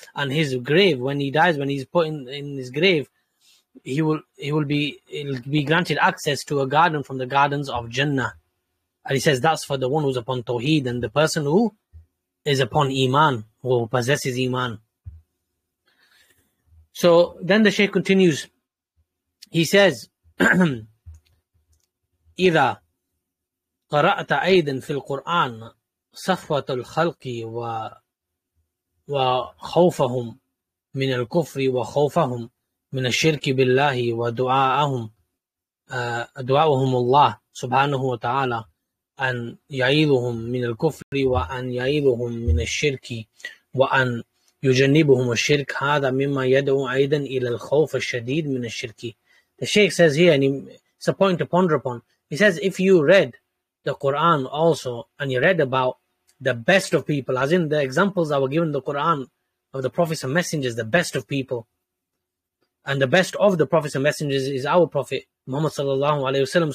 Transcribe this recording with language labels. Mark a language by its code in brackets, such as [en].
[en] And his grave, when he dies, when he's put in his grave, he'll be granted access to a garden from the gardens of Jannah. And he says that's for the one who's upon Tawheed and the person who is upon Iman, who possesses Iman. So then the Shaykh continues. He says, [ar] إِذَا قَرَأْتَ أَيْدٍ فِي الْقُرْآنِ صَفْوَةُ الْخَلْقِ وخوفهم من الكفر وخوفهم من الشرك بالله ودعاءهم دعاءهم الله سبحانه وتعالى أن يعيذهم من الكفر وأن يعيذهم من الشرك وأن يجنبهم الشرك هذا مما يدعو أيضا إلى الخوف الشديد من الشرك. [en] The Shaykh says here, and it's a point to ponder upon. He says, if you read the Quran also, and you read about the best of people, as in the examples that were given in the Quran of the prophets and messengers, the best of people. And the best of the prophets and messengers is our Prophet Muhammad sallallahu alaihi wasallam.